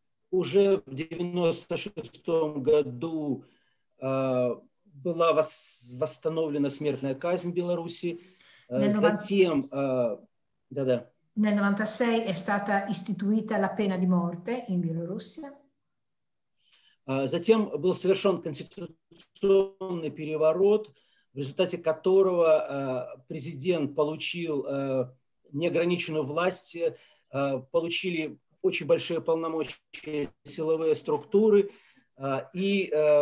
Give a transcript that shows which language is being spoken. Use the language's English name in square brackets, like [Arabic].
[Russian] Уже в 96 году была восстановлена смертная казнь в Беларуси. Затем, да-да. [Italian] Nel 96 è stata istituita la pena di morte in Bielorussia. [Russian] Затем был совершен конституционный переворот, в результате которого президент получил неограниченную власть, получили очень большие полномочия силовые структуры, и